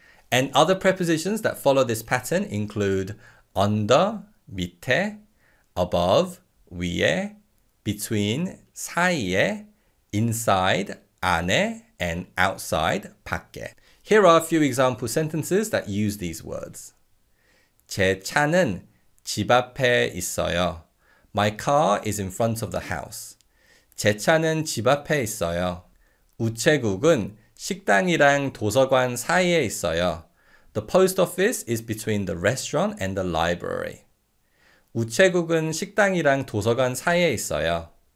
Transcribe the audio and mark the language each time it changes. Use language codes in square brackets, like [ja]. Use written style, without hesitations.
[en] And other prepositions that follow this pattern include under, 밑에, above, 위에, between, 사이에, inside, 안에, and outside, 밖에. Here are a few example sentences that use these words. [ko] 제 차는 집 앞에 있어요. [en] My car is in front of the house. [ko] 제 차는 집 앞에 있어요. 우체국은 식당이랑 도서관 사이에 있어요. [en] The post office is between the restaurant and the library. [ko] 우체국은 식당이랑 도서관 사이에 있어요.